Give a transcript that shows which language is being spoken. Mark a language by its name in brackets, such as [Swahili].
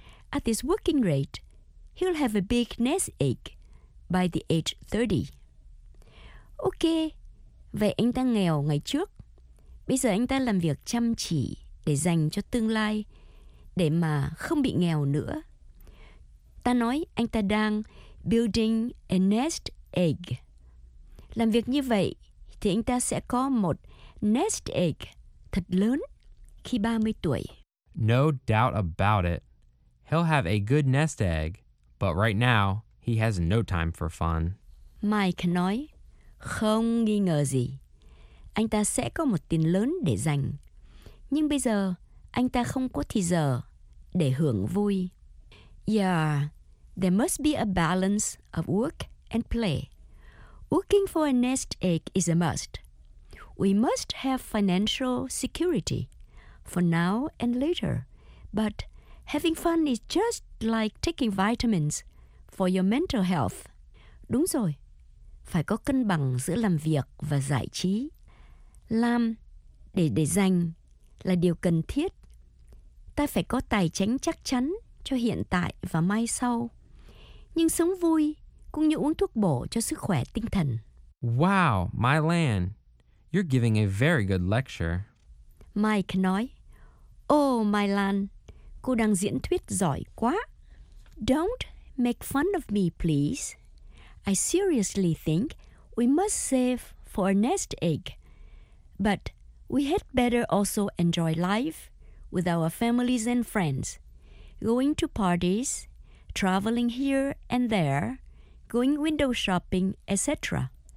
[English] At this working rate, he'll have a big nest egg by the age 30. [Vietnamese] Okay, vậy anh ta nghèo ngày trước. Bây giờ anh ta làm việc chăm chỉ để dành cho tương lai, để mà không bị nghèo nữa. Ta nói anh ta đang [English] building a nest egg. [Vietnamese] Làm việc như vậy thì anh ta sẽ có một nest egg thật lớn khi 30 tuổi. [English] No doubt about it. He'll have a good nest egg, but right now he has no time for fun. [Vietnamese] Mike nói, không nghi ngờ gì. Anh ta sẽ có một tiền lớn để dành. Nhưng bây giờ anh ta không có thời giờ để hưởng vui. [English] Yeah, there must be a balance of work and play. Working for a nest egg is a must. We must have financial security for now and later. But having fun is just like taking vitamins for your mental health. [Vietnamese] Đúng rồi, phải có cân bằng giữa làm việc và giải trí. Làm để dành là điều cần thiết. Ta phải có tài chính chắc chắn cho hiện tại và mai sau. Nhưng sống vui cũng như uống thuốc bổ cho sức khỏe tinh thần. [English] Wow, My Lan, you're giving a very good lecture. [Vietnamese] Mike nói, Oh, My Lan, cô đang diễn thuyết giỏi quá. [English] Don't make fun of me, please. I seriously think we must save for a nest egg. But we had better also enjoy life with our families and friends. Going to parties, traveling here and there, going window shopping, etc.